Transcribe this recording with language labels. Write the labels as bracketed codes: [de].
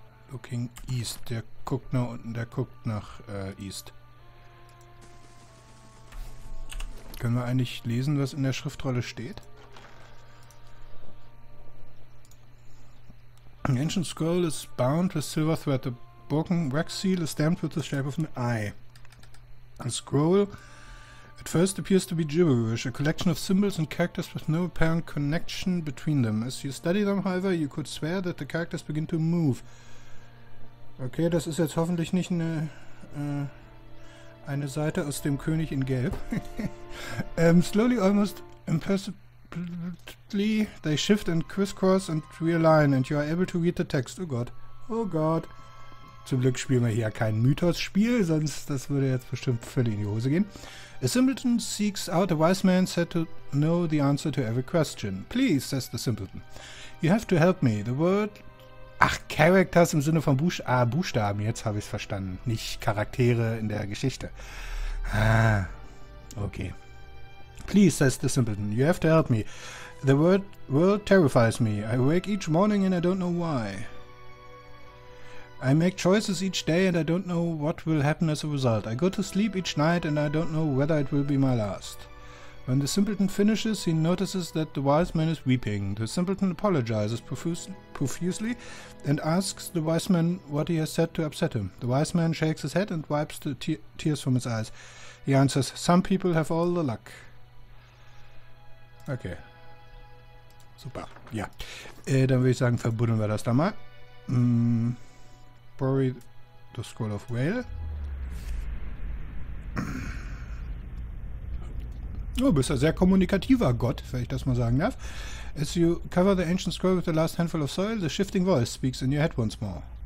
[en] Looking east. [de] Der guckt nach unten, der guckt nach east. Können wir eigentlich lesen, was in der Schriftrolle steht? [en] An ancient scroll is bound with silver thread. The broken wax seal is stamped with the shape of an eye. The scroll at first appears to be gibberish, a collection of symbols and characters with no apparent connection between them. As you study them, however, you could swear that the characters begin to move. [de] Okay, das ist jetzt hoffentlich nicht eine Seite aus dem König in Gelb. [en] slowly, almost imperceptibly, they shift and crisscross and realign, and you are able to read the text. [de] Oh Gott. Oh Gott. Zum Glück spielen wir hier kein Mythos-Spiel, sonst das würde jetzt bestimmt völlig in die Hose gehen. [en] A simpleton seeks out a wise man said to know the answer to every question. Please, says the simpleton. You have to help me. The word... [de] Ach, Characters im Sinne von Buchstaben, jetzt habe ich es verstanden. Nicht Charaktere in der Geschichte. Ah, okay. [en] Please, says the simpleton, you have to help me. The world terrifies me. I wake each morning and I don't know why. I make choices each day and I don't know what will happen as a result. I go to sleep each night and I don't know whether it will be my last. When the simpleton finishes, he notices that the wise man is weeping. The simpleton apologizes profusely and asks the wise man what he has said to upset him. The wise man shakes his head and wipes the tears from his eyes. He answers, some people have all the luck. [de] Okay. Super. Ja. Dann würde ich sagen, verbuddeln wir das da mal. [en] Bury the Scroll of Whale. [de] Oh, bist ein sehr kommunikativer Gott, wenn ich das mal sagen darf. [en] As you cover the ancient scroll with the last handful of soil, the shifting voice speaks in your head once more.